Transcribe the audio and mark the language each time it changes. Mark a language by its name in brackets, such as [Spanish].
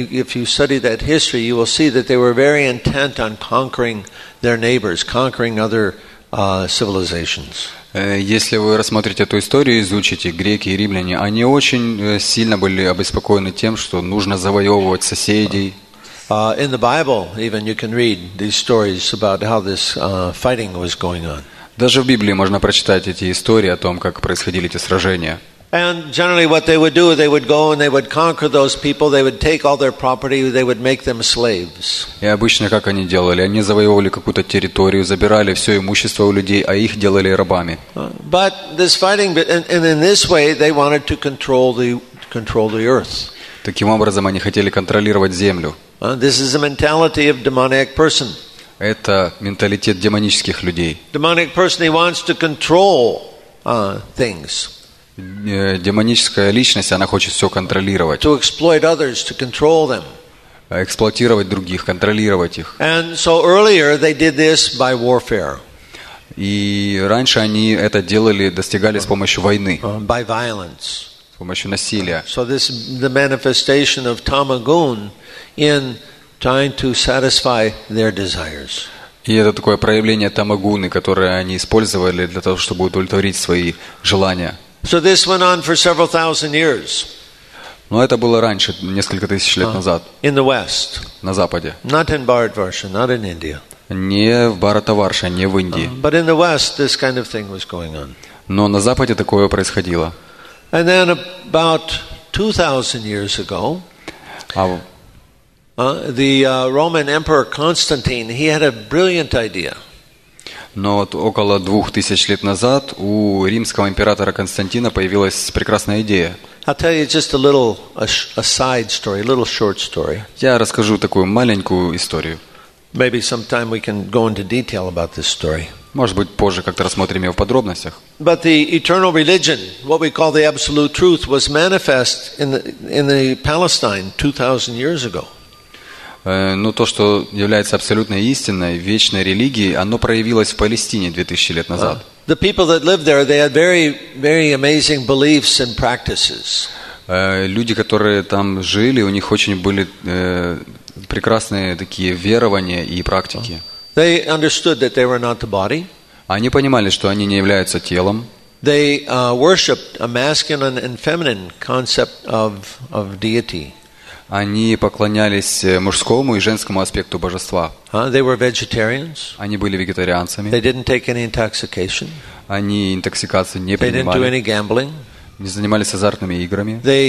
[English] If you study that history, you will see that they were very intent on conquering their neighbors, conquering other civilizations. [Russian] Если вы рассмотрите эту историю, изучите греки и римляне, они очень сильно были обеспокоены тем, что нужно завоевывать соседей. [English] In the Bible, even you can read these stories about how this fighting was going on. [Russian] Даже в Библии можно прочитать эти истории о том, как происходили эти сражения. [English] And generally, what they would do, they would go and they would conquer those people. They would take all their property. They would make them slaves. [Russian] И обычно как они делали? Они завоевывали какую-то территорию, забирали все имущество у людей, а их делали рабами. [English] But this fighting, and in this way, they wanted to control the earth. [Russian] Таким образом, они хотели контролировать землю. [English] This is the mentality of demonic person. [Russian] Это менталитет демонических людей. [English] Demonic person, he wants to control things. [Russian] Демоническая личность, она хочет все контролировать. [English] To exploit others, to control them. [Russian] Эксплуатировать других, контролировать их. [English] And so earlier they did this by warfare. [Russian] И раньше они это делали, достигали с помощью войны. [English] By violence. [Russian] С помощью насилия. [English] So this the manifestation of tamagun in trying to satisfy their desires. [Russian] И это такое проявление тамагуны, которое они использовали для того, чтобы удовлетворить свои желания. [English] So this went on for several thousand years. [Russian] Но это было раньше, несколько тысяч лет назад. [English] In the West. [Russian] На Западе. [English] Not in Bharatvarsha, not in India. [Russian] Не в Бхаратаварше, не в Индии. [English] But in the West this kind of thing was going on. [Russian] Но на Западе такое происходило. [English] And then about 2000 years ago, the Roman Emperor Constantine, he had a brilliant idea. [Russian] Но вот около 2000 лет назад у римского императора Константина появилась прекрасная идея. [English] I'll tell you just a little a side story, a little short story. [Russian] Я расскажу такую маленькую историю. [English] Maybe sometime we can go into detail about this story. [Russian] Может быть, позже как-то рассмотрим его в подробностях. [English] But the eternal religion, what we call the absolute truth, was manifest in the Palestine 2000 years ago. [Russian] Но то, что является абсолютной истиной, вечной религией, оно проявилось в Палестине 2000 лет назад. [English] The people that lived there, they had very, very amazing beliefs and practices. [Russian] Люди, которые там жили, у них очень были прекрасные такие верования и практики. [English] They understood that they were not the body. [Russian] Они понимали, что они не являются телом. [English] They worshipped a masculine and feminine concept of deity. [Russian] Они поклонялись мужскому и женскому аспекту божества. [English] They were vegetarians. [Russian] Они были вегетарианцами. [English] They didn't take any intoxication. [Russian] Они интоксикации не принимали. [English] They didn't do any gambling. [Russian] Не занимались азартными играми.